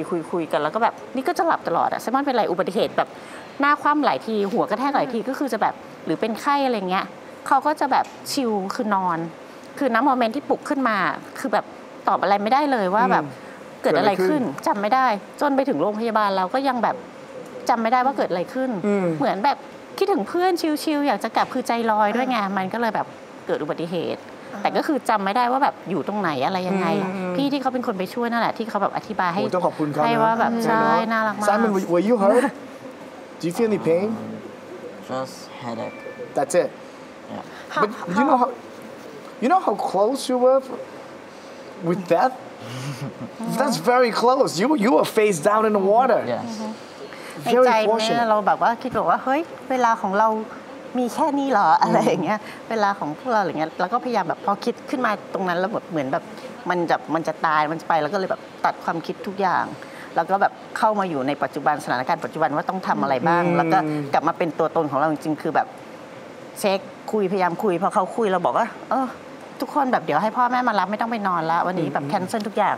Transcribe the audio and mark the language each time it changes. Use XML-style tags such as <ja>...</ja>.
<th>คุยกันแล้วก็แบบนี่ก็จะหลับตลอดอะไซมอนเป็นไรอุบัติเหตุแบบหน้าคว่ำหลายทีหัวกระแทกหลายทีก็คือจะแบบหรือเป็นไข้อะไรเงี้ยเขาก็จะแบบชิลคือนอนคือณโมเมนต์ที่ปลุกขึ้นมาคือแบบตอบอะไรไม่ได้เลยว่าแบบเกิดอะไรขึ้นจำไม่ได้จนไปถึงโรงพยาบาลเราก็ยังแบบจำไม่ได้ว่าเกิดอะไรขึ้นเหมือนแบบคิดถึงเพื่อนชิลๆอยากจะกลับคือใจลอยด้วยไงมันก็เลยแบบเกิดอุบัติเหตุแต่ก็คือจำไม่ได้ว่าแบบอยู่ตรงไหนอะไรยังไงพี่ที่เขาเป็นคนไปช่วยนั่นแหละที่เขาแบบอธิบายให้ ต้องขอบคุณเขา ให้ว่าแบบใช่น่ารักมาก</th> <en>Simon were you hurt Do you feel any pain Just headache That's it Yeah But you know how close you were with death That's very close. You were face down in the water. Yes. Very fortunate.</en> <th>เราแบบว่าคิดว่าเฮ้ยเวลาของเรามีแค่นี้หรออะไรอย่างเงี้ยเวลาของพวกเราอะไรเงี้ยแล้วก็พยายามแบบพอคิดขึ้นมาตรงนั้นแล้วแบบเหมือนแบบมันจะตายมันจะไปแล้วก็เลยแบบตัดความคิดทุกอย่างแล้วก็แบบเข้ามาอยู่ในปัจจุบันสถานการณ์ปัจจุบันว่าต้องทำอะไรบ้างแล้วก็กลับมาเป็นตัวตนของเราจริงๆคือแบบเช็คคุยพยายามคุยพอเขาคุยเราบอกว่าเออทุกคนแบบเดี๋ยวให้พ่อแม่มารับไม่ต้องไปนอนแล้ววันนี้แบบแคนเซิลทุกอย่าง</th>